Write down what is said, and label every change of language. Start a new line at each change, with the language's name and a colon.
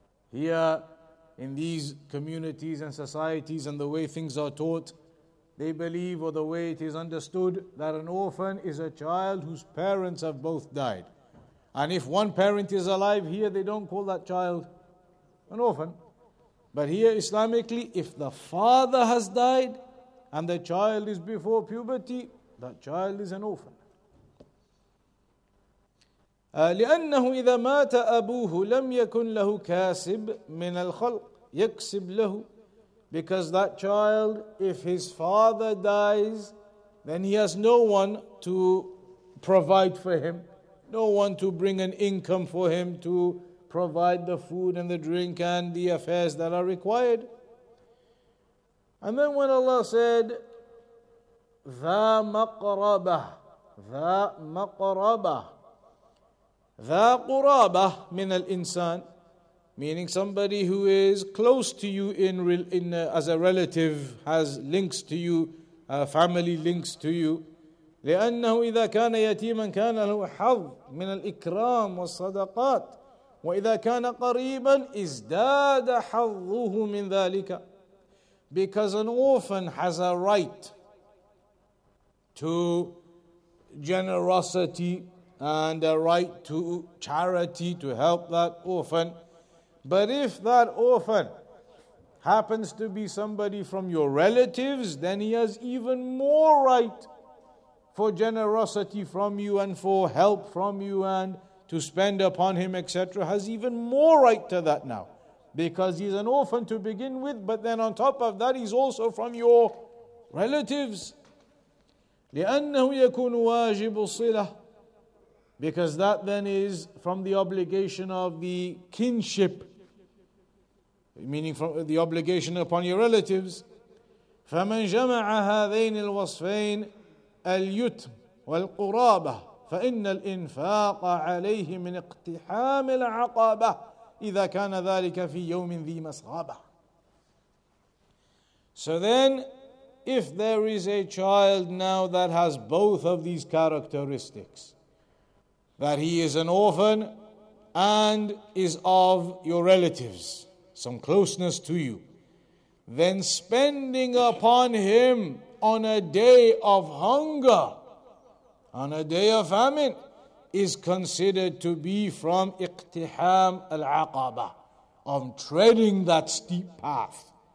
English: Here, in these communities and societies and the way things are taught, they believe, or the way it is understood, that an orphan is a child whose parents have both died. And if one parent is alive here, they don't call that child an orphan. But here, Islamically, if the father has died and the child is before puberty, that child is an orphan.
Arabic: لأنه إذا مات أبوه لم يكن له كاسب من الخلق يكسب له
English: Because that child, if his father dies, then he has no one to provide for him, no one to bring an income for him to provide the food and the drink and the affairs that are required. And then when Allah said,
Arabic: ذا مقربة, ذا قرابة من الإنسان,
English: meaning somebody who is close to you as a relative, has links to you, family links to you.
Arabic: لأنه إذا كان يتيما كان له حظ من الإكرام والصدقات وإذا كان قريبا ازداد حظه من ذلك.
English: Because an orphan has a right to generosity and a right to charity to help that orphan. But if that orphan happens to be somebody from your relatives, then he has even more right for generosity from you and for help from you and to spend upon him, etc. Has even more right to that now, because he's an orphan to begin with, but then on top of that, he's also from your relatives.
Arabic: لأنه يكون واجب الصلة,
English: because that then is from the obligation of the kinship, meaning from the obligation upon your relatives.
Arabic: فمن جمع هذين الوصفين اليتم والقرابة فإن الإنفاق عليه من اقتحام العقبة إذا كان ذلك في يوم ذي مصابة.
English: So then, if there is a child now that has both of these characteristics, that he is an orphan and is of your relatives, some closeness to you, then spending upon him on a day of hunger, on a day of famine, is considered to be from iqtiham al-aqaba, of treading that steep path.